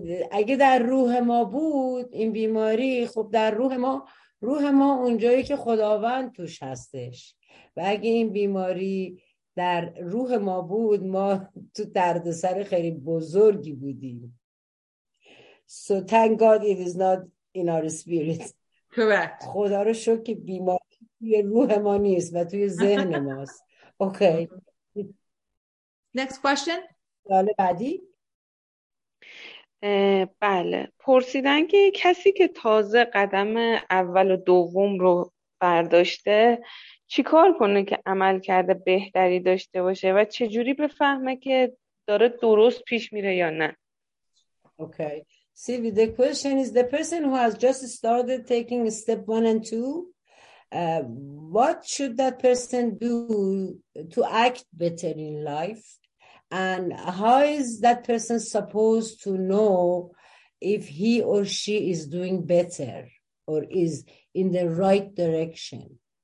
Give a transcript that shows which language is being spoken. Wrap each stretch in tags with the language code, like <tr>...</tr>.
<fa>اگه در روح ما بود این بیماری، خب در روح ما اونجایی که خداوند توش هستش، و اگه این بیماری در روح ما بود، ما تو دردسر خیلی بزرگی بودیم.</fa> <en>So thank God it is not in our spirit. Correct.</en> <fa>خدا رو شکر که بیماری توی روح ما نیست و توی ذهن ماست.</fa> <en>Okay. Next question.</en> <fa>سوال بعدی. بله، پرسیدن که کسی که تازه قدم اول و دوم رو برداشته چیکار کنه که عمل کرده بهتری داشته باشه و چجوری بفهمه که داره درست پیش میره یا نه.</fa> <en>Okay. See, the question is the person who has just started taking step 1 and 2, what should that person do to act better in life? And how is that person supposed to know if he or she is doing better or is in the right direction?</en>